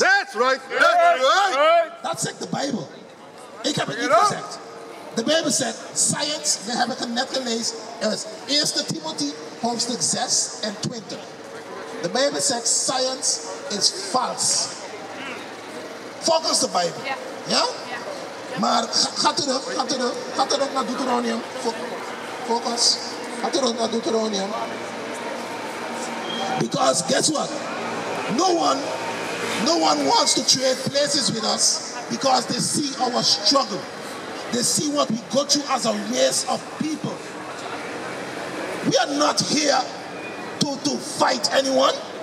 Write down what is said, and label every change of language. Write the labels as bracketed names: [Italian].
[English] That's right. That's right. That's like the Bible. It can be intercept. The Bible said science, they have a net release. It was 1 Timothy, hosted 6 and 20. The Bible said science is false. Focus the Bible. Yeah? [Dutch] Maar ga terug naar Deuteronomium. Focus. Ga terug naar Deuteronomium. [English] Because guess what? No one wants to trade places with us because they see our struggle. They see what we go through as a race of people. We are not here to fight anyone.